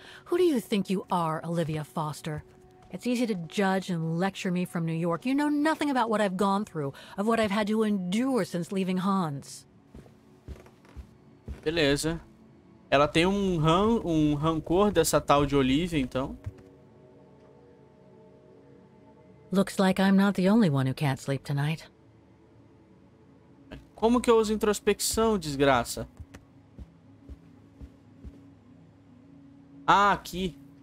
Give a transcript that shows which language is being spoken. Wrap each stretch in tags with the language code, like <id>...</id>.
<en>Who do you think you are, Olivia Foster? It's easy to judge and lecture me from New York. You know nothing about what I've gone through, of what I've had to endure since leaving Hans.</en> <pt>Beleza. Ela tem um rancor dessa tal de Olivia, então.</pt> <en>Looks like I'm not the only one who can't sleep tonight.</en> <pt>Como que eu uso introspecção, desgraça? Ah, aqui.</pt>